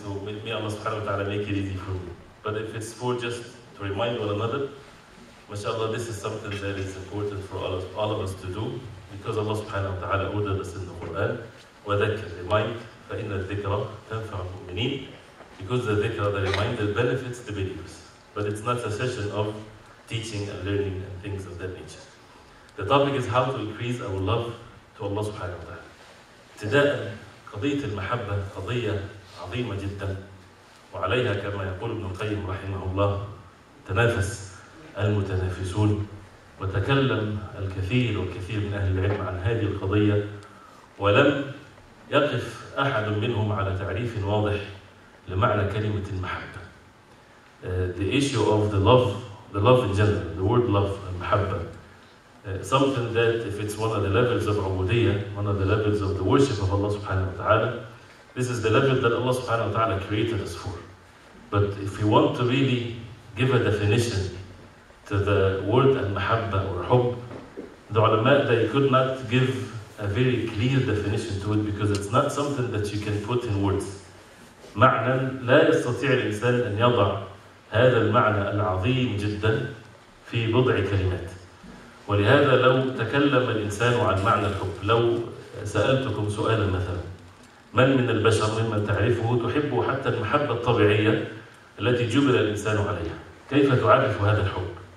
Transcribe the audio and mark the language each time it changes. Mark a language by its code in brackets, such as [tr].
[en] So may Allah subhanahu wa ta'ala make it easy for me. But if it's for just to remind one another, mashallah, this is something that is important for all of us to do, because Allah subhanahu wa ta'ala ordered us in the Quran, [ar] وَذَكَّرْ [en] remind [ar] فَإِنَّ الذِّكْرَ تَنْفَعُ الْمُؤْمِنِينَ. [en] Because the dhikr, the reminder, benefits the believers. But it's not a session of teaching and learning and things of that nature. The topic is how to increase our love to Allah subhanahu wa ta'ala. Today, [ar] قضية المحبة قضية عظيمة جدا. وعليها كما يقول ابن القيم رحمه الله تنافس المتنافسون وتكلم الكثير والكثير من أهل العلم عن هذه القضية، ولم يقف أحد منهم على تعريف واضح لمعنى كلمة المحبة. [en] The issue of the love in general, the word love, المحبة, something that if it's one of the levels of عبودية, one of the levels of the worship of Allah subhanahu wa ta'ala, this is the level that Allah subhanahu wa ta'ala created us for. But if we want to really give a definition to the word المحبة or حب, the ulama, they could not give a very clear definition to it because it's not something that you can put in words. [ar] معنى لا يستطيع الإنسان أن يضع هذا المعنى العظيم جدا في بضع كلمات. ولهذا لو تكلم الإنسان عن معنى الحب، لو سألتكم سؤالا مثلا، من البشر ممن تعرفه تحبه حتى المحبة الطبيعية التي جبل الإنسان عليها، كيف تعرف هذا الحب؟